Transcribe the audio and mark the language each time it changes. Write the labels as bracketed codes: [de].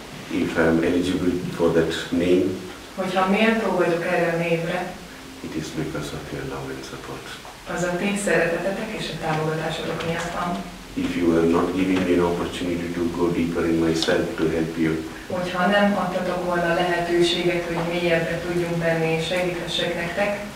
[en] If I'm eligible for that name, [hu] hogyha méltó vagyok erre a névre, [en] It is because of your love and support. [hu] Az a ti szeretetetek és a támogatásotok miatt van. [en] If you are not giving me an opportunity to go deeper in myself to help you. [hu] Hogyha nem adtatok volna lehetőséget, hogy mélyebbre tudjunk benni és segíthessek nektek.